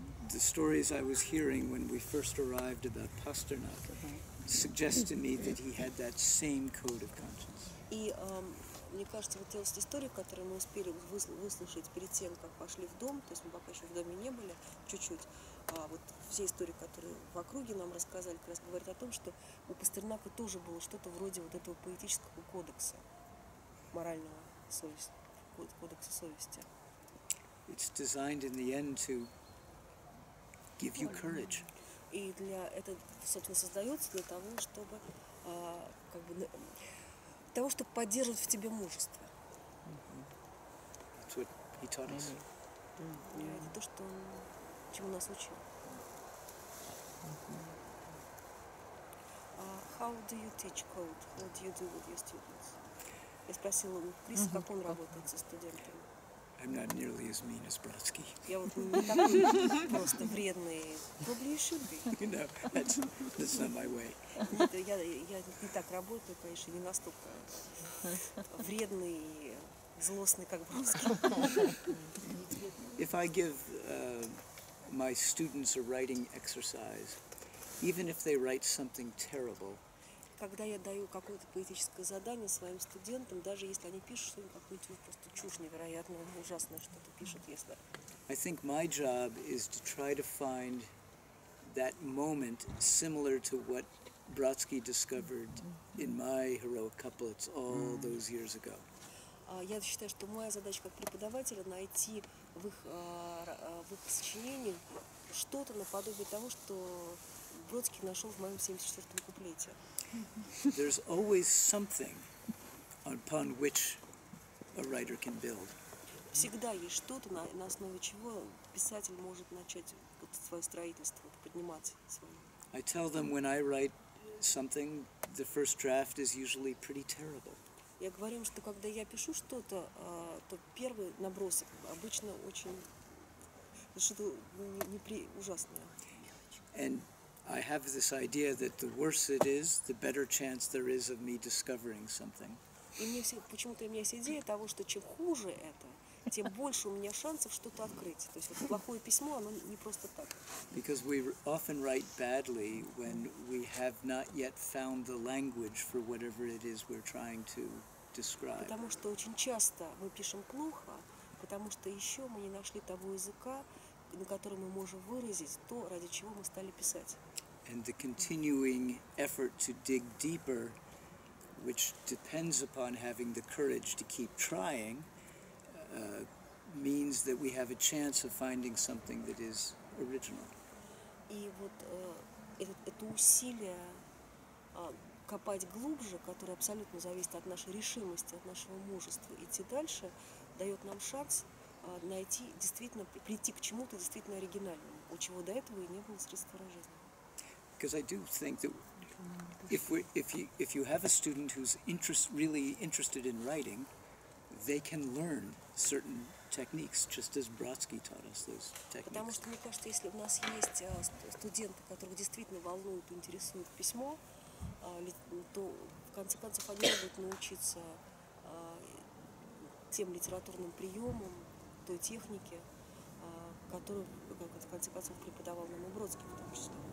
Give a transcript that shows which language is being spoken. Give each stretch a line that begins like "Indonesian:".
English: The stories I was hearing when we first arrived about Pasternak suggest to me that he had that same code of conscience.
Russian: И мне кажется, вот эти истории, которые мы успели выслушать перед тем, как пошли в дом, то есть мы пока еще в доме не были, чуть-чуть, вот все истории, которые в округе нам рассказали, как раз говорят о том, что у Пастернака тоже было что-то вроде вот этого поэтического кодекса морального совести, кодекса совести.
English: It's designed in the end to give you courage.
Russian: И для это, собственно, создается для того, чтобы как бы того, чтобы поддерживать в тебе мужество.
English: That's what he taught us.
Russian: Это то, что он чему нас учил.
English: How do you teach code? What do you do with your students?
Russian: Я спросила у Криса, как он работает со студентами.
English: I'm not nearly as mean as Brodsky.
Russian: Я вот не такой просто вредный.
English: Probably you should be. No, that's not my way.
Russian: Я не так работаю, конечно, не настолько вредный, злостный, как Brodsky.
English: If I give my students a writing exercise, even if they write something terrible,
Russian: когда я даю какое-то поэтическое задание своим студентам, даже если они пишут что-нибудь, какую-нибудь просто чушь невероятную, ужасное что-то пишут, если...
English: I think my job is to try to find that moment similar to what Brodsky discovered in my heroic couplets all those years ago.
Russian: Я считаю, что моя задача как преподавателя найти в их сочинении что-то наподобие того, что Бродский нашел в моем 74-м куплете.
English: There's always something upon which a writer can build.
Russian: Всегда есть что-то, на основе чего писатель может начать вот свое строительство, вот подниматься своим.
English: I tell them when I write something, the first draft is usually pretty terrible.
Russian: Я говорю им, что когда я пишу что-то, то первый набросок обычно очень что-то ужасное.
English: And I have this idea that the worse it is, the better chance there is of me discovering something.
Russian: И мне всегда, почему-то у меня есть идея того, что чем хуже это, тем больше у меня шансов что-то открыть. То есть вот плохое письмо, оно не просто так.
English: Because we often write badly when we have not yet found the language for whatever it is we're trying to describe.
Russian: Потому что очень часто мы пишем плохо, потому что еще мы не нашли того языка, на котором мы можем выразить то, ради чего мы стали писать.
English: And the continuing effort to dig deeper, which depends upon having the courage to keep trying, means that we have a chance of finding something that is original.
Russian: И вот это усилие копать глубже, которое абсолютно зависит от нашей решимости, от нашего мужества, идти дальше, дает нам шанс найти действительно, прийти к чему-то действительно оригинальному, у чего до этого и не было средств выражения.
English: Because I do think that if you have a student who's really interested in writing, they can learn certain techniques, just as Brodsky taught us those techniques.
Russian: Потому что мне кажется, если у нас есть студенты, которых действительно волнует, интересует письмо, то в конце концов они могут научиться тем литературным приемам, той технике, которую, как в конце концов, преподавал нам Бродский, потому что.